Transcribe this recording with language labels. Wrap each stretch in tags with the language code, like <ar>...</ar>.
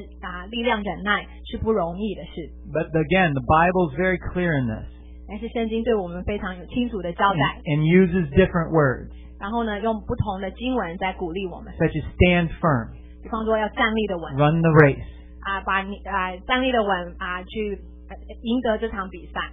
<zh>那在人生，我们每个人都能够相同的体验，就是如何忍耐，靠着神的力量忍耐，是不容易的事。</zh> <en>But again, the Bible is very clear in this.</en> <zh>但是圣经对我们非常有清楚的交代。</zh> <en>And uses different words.</en> <zh>然后呢，用不同的经文在鼓励我们。</zh> <en>Such as stand firm.</en> <zh>比方说要站立的稳。</zh> <en>Run the race.</en> <zh>把你站立的稳，去赢得这场比赛。</zh>